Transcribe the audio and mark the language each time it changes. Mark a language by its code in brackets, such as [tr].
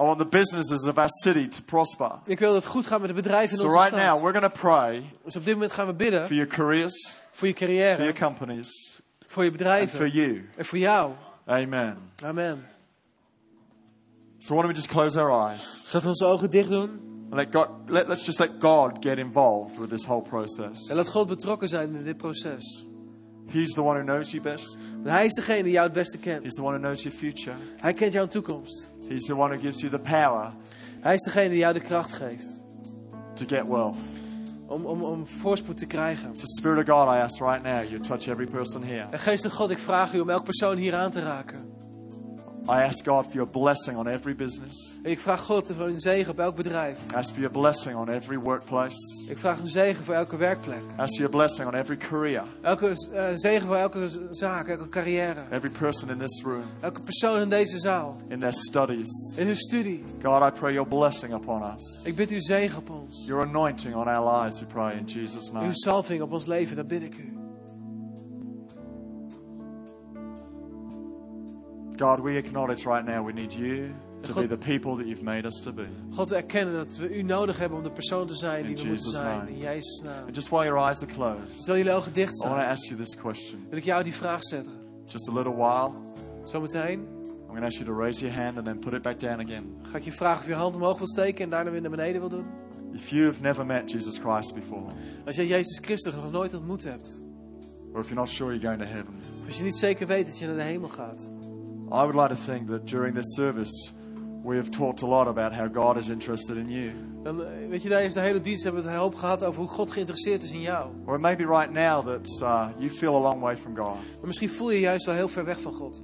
[en] I want the businesses of our city to prosper. [nl] Ik wil dat het goed gaat met de bedrijven in onze stad. [en] So right [nl] stad. [en] Now we're going to pray. [nl] Dus op dit moment gaan we bidden. [en] For your careers. [nl] Voor je carrière. [en] For your companies. [nl] Voor je bedrijven. [en] And for you. [nl] En voor jou. [en] Amen. [nl] Amen. [en] So why don't we just close our eyes? [nl] Zullen we onze ogen dicht doen? [en] Let's just let God get involved with this whole process. [nl] En laat God betrokken zijn in dit proces. [en] He's the one who knows you best. [nl] Want hij is degene die jou het beste kent. [en] He's the one who knows your future. [nl] Hij kent jouw toekomst. [en] He's the one who gives you the power. [nl] Hij is degene die jou de kracht geeft. [en] To get wealth. [nl] Om voorspoed te krijgen. [en] So Spirit of God, I ask right now, you touch every person here. [nl] En Geest van God, ik vraag u om elk persoon hier aan te raken. [en] I ask God for your blessing on every business. [nl] Ik vraag God voor een zegen op elk bedrijf. [en] I ask for your blessing on every workplace. [nl] Ik vraag een zegen voor elke werkplek. [en] I ask for your blessing on every career. [nl] Elke zegen voor elke zaak, elke carrière. [en] Every person in this room. [nl] Elke persoon in deze zaal. [en] In their studies. [nl] In hun studie. [en] God, I pray your blessing upon us. [nl] Ik bid uw zegen op ons. [en] Your anointing on our lives, we pray in Jesus' name. [nl] Uw salving op ons leven, dat bid ik u. [en] God, we acknowledge right now we need you to God, be the people that you've made us to be. [nl] God, we erkennen dat we u nodig hebben om de persoon te zijn die we moeten zijn. In Jezus' naam. [en] And just while your eyes are closed, [nl] terwijl jullie ogen dicht zijn, [en] I want to ask you this question. [nl] Wil ik jou die vraag stellen? [en] Just a little while. [nl] Zometeen. [en] I'm going to ask you to raise your hand and then put it back down again. [nl] Ga ik je vragen of je hand omhoog wil steken en daarna weer naar beneden wil doen? [en] If you have never met Jesus Christ before, [nl] als je Jezus Christus nog nooit ontmoet hebt, [en] or if you're not sure you're going to heaven, [nl] als je niet zeker weet dat je naar de hemel gaat. [en] I would like to think that during this service we have talked a lot about how God is interested in you. [nl] En weet je, tijdens de hele dienst hebben we het hoop gehad over hoe God geïnteresseerd is in jou. [en] Or maybe right now that you feel a long way from God. [nl] Maar misschien voel je juist wel heel ver weg van God.